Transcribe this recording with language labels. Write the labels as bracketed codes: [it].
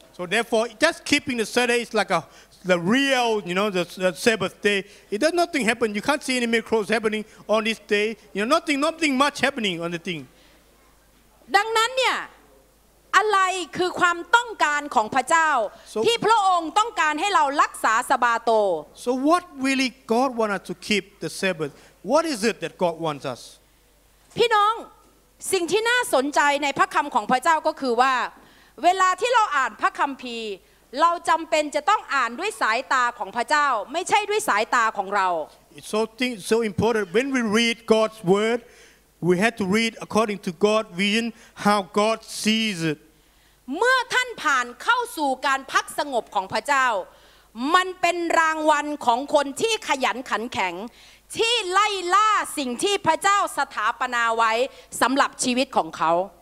[en] so therefore just keeping the Sunday is like the real you know the Sabbath day it does nothing happen you can't see any miracles happening on this day you know nothing much happening on the thing [th] ดังนั้นเนี่ยอะไรคือความต้องการของพระเจ้า [en] so, [th] ที่พระองค์ต้องการให้เรารักษาสะบาโต [en] So what really God wants us to keep the Sabbath? What is it that God wants us? [th] พี่น้องสิ่งที่น่าสนใจในพระคำของพระเจ้าก็คือว่าเวลาที่เราอ่านพระคัมภีร์เราจำเป็นจะต้องอ่านด้วยสายตาของพระเจ้าไม่ใช่ด้วยสายตาของเรา [en] It's so important when we read God's wordWe had to read according to God's vision, how God sees it. [th] เมื่อท่านผ่านเข้าสู่การพักสงบของพระเจ้ามันเป็นรางวัลของคนที่ขยันขันแข็งที่ไล่ล่าสิ่งที่พระเจ้าสถาปนาไว้สำหรับชีวิตของเขา